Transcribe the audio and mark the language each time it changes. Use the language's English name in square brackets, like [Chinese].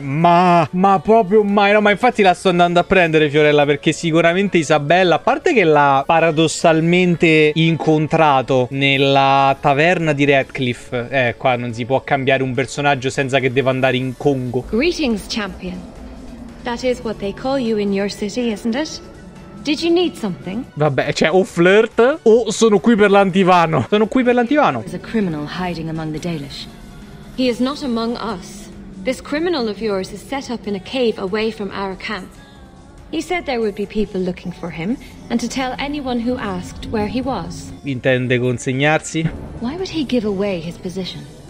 [Italian] Ma proprio mai. No, ma infatti la sto andando a prendere, Fiorella, perché sicuramente Isabella, a parte che l'ha paradossalmente incontrato nella taverna di Radcliffe. Qua non si può cambiare un personaggio senza che deva andare in Congo. [English] Greetings, champion. That is what they call you in your city, isn't it? Did you need something? [Italian] Vabbè, cioè o flirt o sono qui per l'antivano. Sono qui per l'antivano. [English] There's a criminal hiding among the Dalish. He is not among us. This criminal of yours is set up in a cave away from our camp. He said there would be people looking for him and to tell anyone who asked where he was. [Italian] Intende consegnarsi? [English] Why would he give away his position?